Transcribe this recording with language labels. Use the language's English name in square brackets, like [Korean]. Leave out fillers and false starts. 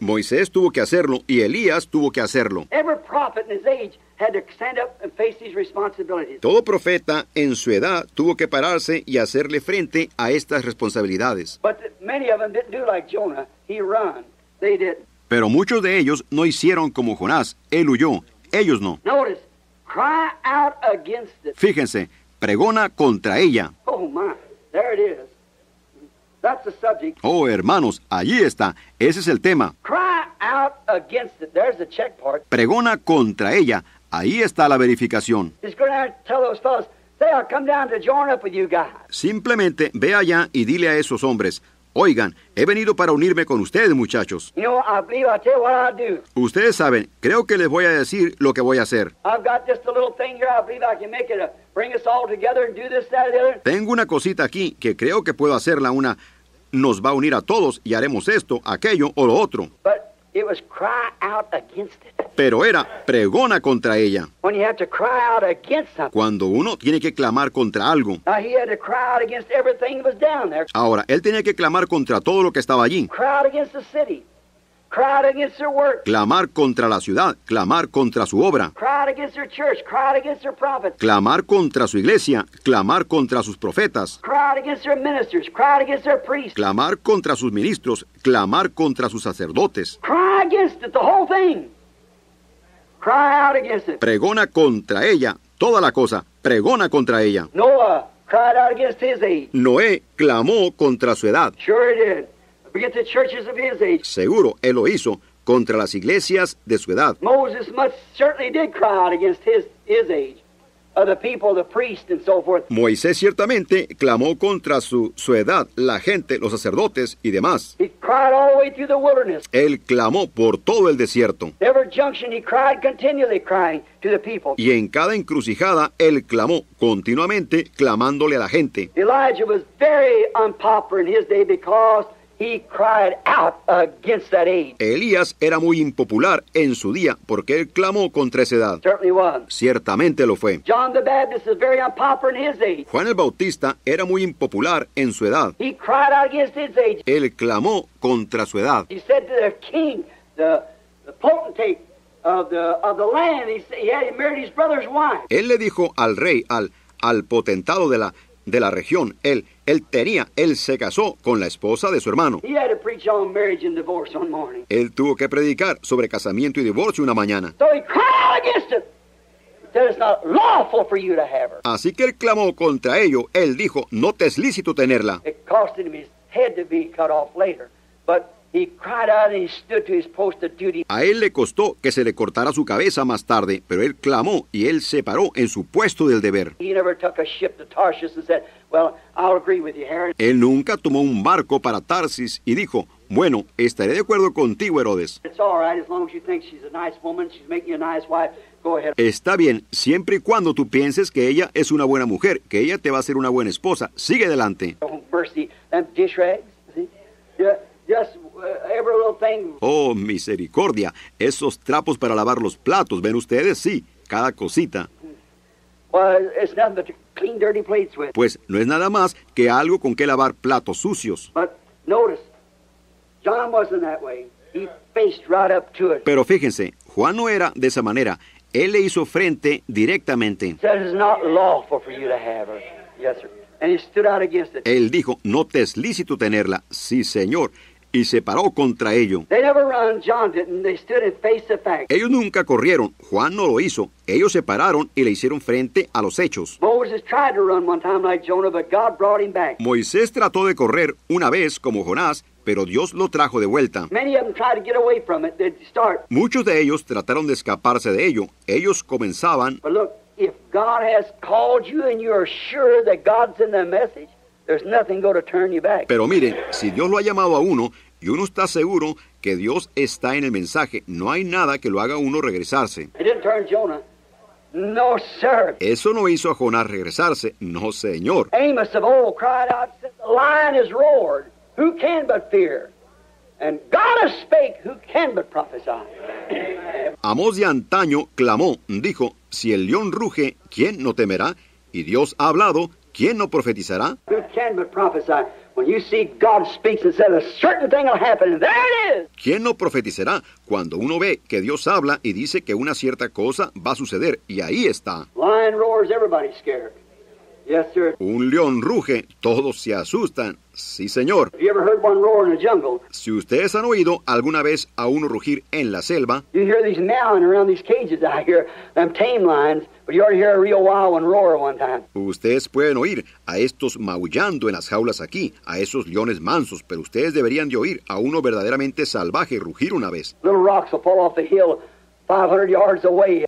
[Spanish] Moisés tuvo que hacerlo y Elías tuvo que hacerlo. [English] Every prophet in his age had to stand up and face these responsibilities. [Spanish] Todo profeta en su edad tuvo que pararse y hacerle frente a estas responsabilidades. [English] But many of them didn't do like Jonah. He ran. They didn't. [Spanish] Pero muchos de ellos no hicieron como Jonás. Él huyó. Ellos no. [English] Notice, cry out against it. [Spanish] Fíjense, pregona contra ella. [English] Oh, my, there it is. That's the subject. [Spanish] Oh, hermanos, allí está. Ese es el tema. [English] Cry out against it. There's the check part. [Spanish] Pregona contra ella. Ahí está la verificación. [English] He's going to tell those fellows, say, I'll come down to join up with you guys. [Spanish] Simplemente ve allá y dile a esos hombres, oigan, he venido para unirme con ustedes, muchachos. [English] You know, I believe I'll tell you what I'll do. [Spanish] Ustedes saben, creo que les voy a decir lo que voy a hacer. [English] I've got just a little thing here. I believe I can make it a, bring us all together and do this, that, and the other. [Spanish] Tengo una cosita aquí que creo que puedo hacerla una. Nos va a unir a todos y haremos esto, aquello o lo otro. [English] But it was cry out against it. [Spanish] Pero era pregona contra ella. [English] When you have to cry out against something. [Spanish] Cuando uno tiene que clamar contra algo. [English] Now he had to cry out against everything that was down there. [Spanish] Ahora, él tenía que clamar contra todo lo que estaba allí. [English] Cry out against the city. Cry out against their work. [Spanish] Clamar contra la ciudad. Clamar contra su obra. [English] Cry out against their church. Cry out against their prophets. [Spanish] Clamar contra su iglesia. Clamar contra sus profetas. [English] Cry out against their ministers. Cry out against their priests. [Spanish] Clamar contra sus ministros. Clamar contra sus sacerdotes. [English] Cry against it, the whole thing. Cry out against it. [Spanish] Pregona contra ella, toda la cosa. Pregona contra ella. [English] Noah cried out against his age. [Spanish] Noé clamó contra su edad. [English] Sure he did. Against the churches of his age. [Spanish] Seguro, él lo hizo contra las iglesias de su edad. [English] Moses must certainly did cry out against his age. Of the people, the priests, and so forth. [Spanish] Moisés ciertamente clamó contra su edad, la gente, los sacerdotes y demás. [English] He cried all the way through the wilderness. [Spanish] Él clamó por todo el desierto. [English] Every junction he cried continually crying to the people. [Spanish] Y en cada encrucijada él clamó continuamente clamándole a la gente. [English] Elijah was very unpopular in his day because he cried out against that age. [Spanish] Elías era muy impopular en su día porque él clamó contra esa edad. [English] Certainly was. [Spanish] Ciertamente lo fue. [English] John the Baptist was very unpopular in his age. [Spanish] Juan el Bautista era muy impopular en su edad. [English] He cried out against his age. [Spanish] Él clamó contra su edad. [English] He said to the king, the potentate of the land, he married his brother's wife. [Spanish] Él le dijo al rey, al potentado de la región, él se casó con la esposa de su hermano. [English] He had to preach on marriage and divorce one morning. [Spanish] Él tuvo que predicar sobre casamiento y divorcio una mañana. [English] So he cried against it. That it's not lawful for you to have her. [Spanish] Así que él clamó contra ello. Él dijo, no te es lícito tenerla. [English] It costed him his head to be cut off later, but he cried out and he stood to his post of duty. [Spanish] A él le costó que se le cortara su cabeza más tarde, pero él clamó y él se paró en su puesto del deber. [English] He never took a ship to Tarshish and said, well, I'll agree with you, Herod. [Spanish] Él nunca tomó un barco para Tarsis y dijo, bueno, estaré de acuerdo contigo, Herodes. [English] It's all right, as long as you think she's a nice woman, she's making you a nice wife, go ahead. [Spanish] Está bien, siempre y cuando tú pienses que ella es una buena mujer, que ella te va a ser una buena esposa, sigue adelante. [English] Oh, mercy, them dish rags, every little thing. [Spanish] Oh, misericordia, esos trapos para lavar los platos, ¿ven ustedes? Sí, cada cosita. [English] Well, it's nothing but clean dirty plates with. [Spanish] Pues no es nada más que algo con que lavar platos sucios. [English] But notice, John wasn't that way. He faced right up to it. [Spanish] Pero fíjense, Juan no era de esa manera. Él le hizo frente directamente. [English] Said it's not lawful for you to have her. Yes, sir. And he stood out against it. [Spanish] Él dijo, no te es lícito tenerla. Sí, Señor. Y se paró contra ello. [English] They never run. John didn't. They stood and faced the fact. [Spanish] Ellos nunca corrieron. Juan no lo hizo. Ellos se pararon y le hicieron frente a los hechos. [English] Moses tried to run one time like Jonah, but God brought him back. [Spanish] Moisés trató de correr una vez como Jonás, pero Dios lo trajo de vuelta. [English] Many of them tried to get away from it. They'd start. [Spanish] Muchos de ellos trataron de escaparse de ello. Ellos comenzaban. [English] But look, if God has called you and you are sure that God's in the message, there's nothing going to turn you back. [Spanish] Pero miren, si Dios lo ha llamado a uno y uno está seguro que Dios está en el mensaje, no hay nada que lo haga uno regresarse. [English] It didn't turn Jonah. No, sir. [Spanish] Eso no hizo a Jonás regresarse. No, Señor. [English] Amos of old cried out, the lion has roared. Who can but fear? And God has spake, who can but prophesy? [Spanish] Amós de antaño clamó, dijo, si el león ruge, ¿quién no temerá? Y Dios ha hablado, ¿quién no profetizará? [English] Who can but prophesy? When you see God speaks and says a certain thing will happen, and there it is. [Spanish] ¿Quién no profetizará? Cuando uno ve que Dios habla y dice que una cierta cosa va a suceder, y ahí está. [English] Lion roars, everybody's scared. Yes, sir. [Spanish] Un león ruge, todos se asustan. Sí, señor. [English] Have you ever heard one roar in a jungle? [Spanish] Si ustedes han oído alguna vez a uno rugir en la selva. [English] You hear these meowing around these cages out here, them tame lions, but you ought to hear a real wild one roar one time. [Spanish] Ustedes pueden oír a estos maullando en las jaulas aquí, a esos leones mansos, pero ustedes deberían de oír a uno verdaderamente salvaje rugir una vez. [English] Little rocks will fall off the hill 500 yards away.